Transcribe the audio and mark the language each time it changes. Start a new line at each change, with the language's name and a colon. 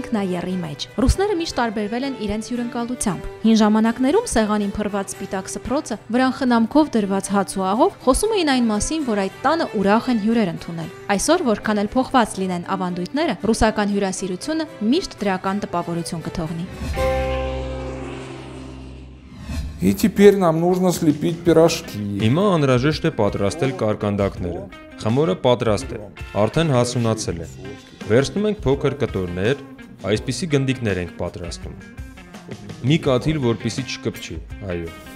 Armenian: ինքնաերի մեջ։ Ռուսները միշտ տարբերվել են իրենց հյուրընկալությամբ։ Հին ժամանակներում սեղանին փռված սպիտակ սփռոցը, վրան խնամքով դրված հաց ու աղով խոսում էին այն մասին, որ այդ տանը ուրախ են հյուրեր ընդունել։ Այսօր, որքան էլ փոխված լինեն ավանդույթները, ռուսական հյուրասիրությունը միշտ դրական տպավորություն կթողնի։
Russian: И теперь нам нужно слепить пирожки.
Armenian: Հիմա անհրաժեշտ է պատրաստել կարկանդակները։ Խմորը պատրաստ է, արդեն հասունացել է։ Վերցնում ենք փոքր կտորներ, այսպիսի գնդիկներ ենք պատրաստում։ Մի կաթիլ, որպեսզի չկպչի, այո։